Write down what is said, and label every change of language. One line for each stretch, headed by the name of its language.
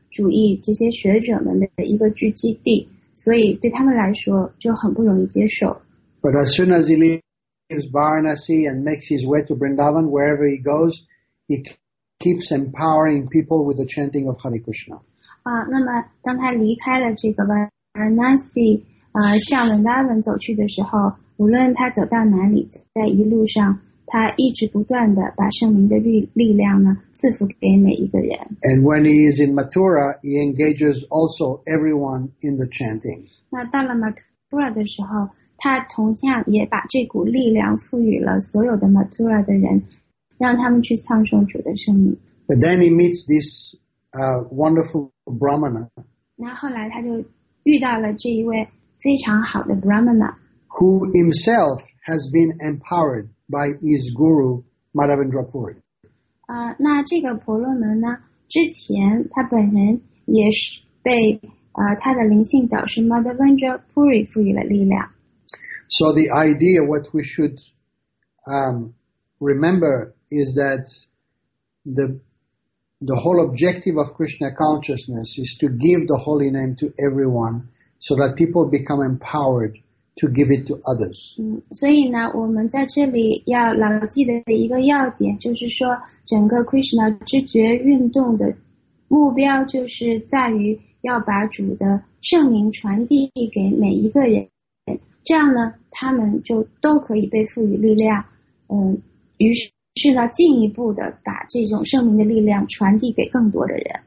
Chinese: 主义这些学者们的一个聚集地，所以对他们来说就很不容易接受。
English: But as soon as he leaves Varanasi and makes his way to Vrindavan, wherever he goes, he keeps empowering people with the chanting of Hare Krishna.
Chinese: 那么当他离开了这个 Varanasi, 向 Vrindavan 走去的时候，无论他走到哪里，在一路上。他一直不断地把圣灵的力量呢赐福给每一个人。
English: And when he is in Mathura, he engages also everyone in the chanting.
Chinese: 那到了 Mathura 的时候，他同样也把这股力量赋予了所有的 Mathura 的人，让他们去唱诵主的圣名。
English: But then he meets this wonderful Brahmana.
Chinese: 那后来他就遇到了这一位非常好的 Brahmana,
English: who himself has been empowered. By his guru, Madhavendra Puri.
Chinese: 那这个婆罗门呢？之前他本人也是被他的灵性导师 Madhavendra Puri 赋予了力量。
English: So the idea what we should remember is that the the whole objective of Krishna consciousness is to give the holy name to everyone so that people become empowered to give it to others.
Chinese: 所以呢我们在这里要牢记的一个要点就是说整个 Krishna 知觉运动的目标就是在于要把主的圣名传递给每一个人这样呢他们就都可以被赋予力量于是呢进一步的把这种圣名的力量传递给更多的人